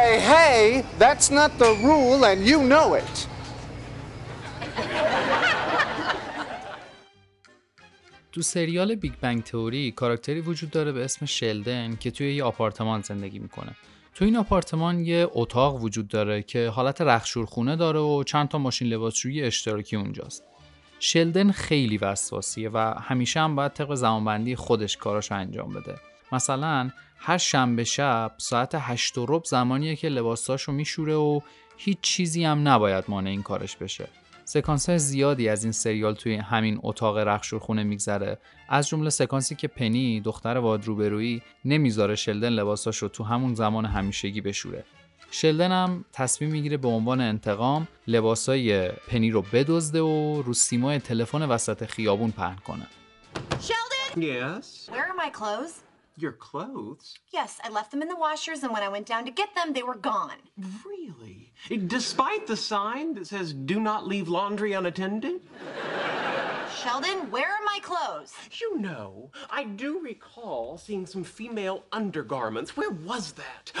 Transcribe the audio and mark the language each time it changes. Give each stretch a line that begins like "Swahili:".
English: Hey, that's not the rule and you know it.
Persian: تو سریال بیگ بنگ تئوری کاراکتری وجود داره به اسم شلدن که توی یه آپارتمان زندگی میکنه. تو این آپارتمان یه اتاق وجود داره که حالت رخشورخونه داره و چند تا ماشین لباسشویی اشتراکی اونجاست. شلدن خیلی وسواسیه و همیشه هم باید طبق زمانبندی خودش کاراشو انجام بده. مثلا هر شنبه شب ساعت 8:30 زمانیه که لباساشو میشوره و هیچ چیزی هم نباید مانع این کارش بشه. سکانس های زیادی از این سریال توی همین اتاق رخشورخونه میگذره، از جمله سکانسی که پنی دختر وادروبرویی نمیذاره شلدن لباساشو تو همون زمان همیشگی بشوره. شلدن هم تصمیم میگیره به عنوان انتقام لباسای پنی رو بدزده و رو سیمای تلفن وسط خیابون پهن کنه. شلدن؟
English: Yes. Where are my clothes? Your clothes? Yes, I left them in the washers, and when I went down to get them, they were gone. Really? Despite the sign that says, do not leave laundry unattended? Sheldon, where are my clothes? You know, I do recall seeing some female undergarments. Where was that?